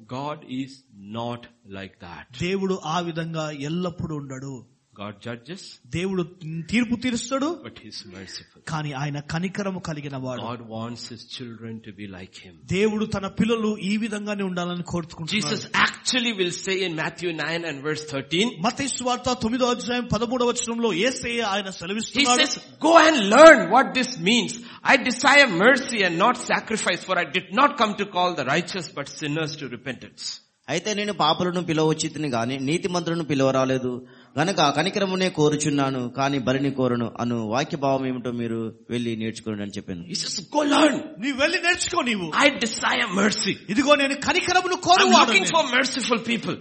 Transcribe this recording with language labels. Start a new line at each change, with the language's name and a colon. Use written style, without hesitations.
English: God is not like that.
Telugu: దేవుడు ఆ విధంగా ఎల్లప్పుడూ ఉండడు.
English: God judges.
Telugu: దేవుడు తీర్పు తీరుస్తాడు.
English: But he is merciful.
Telugu: కానీ ఆయన కనికరము కలిగిన వాడు.
English: God wants his children to be like him.
Telugu: దేవుడు తన పిల్లలు ఈ విధంగానే ఉండాలని కోరుకుంటున్నాడు.
English: Jesus actually will say in Matthew 9 and verse 13.
Telugu: మత్తయి సువార్త 9వ అధ్యాయం 13వ వచనంలో యేసయ్య ఆయన సెలవిస్తున్నాడు.
English: He says, "Go and learn what this means. I desire mercy and not sacrifice, for I did not come to call the righteous but sinners to repentance."
Telugu: అయితే నేను పాపులను పిలవచ్చితిని గాని నీతిమంతులను పిలవరాలేదు. గనక కనికరమునే కోరుచున్నాను కానీ బలిని కోరును అను వాక్య భావం ఏమిటో మీరు వెళ్లి నేర్చుకోండి అని చెప్పాను. నీ వెళ్ళి నేర్చుకో నీవు.
English: I desire mercy.
Telugu: ఇదిగో నేను కనికరమును కోరువాడను.
English: Looking for merciful people.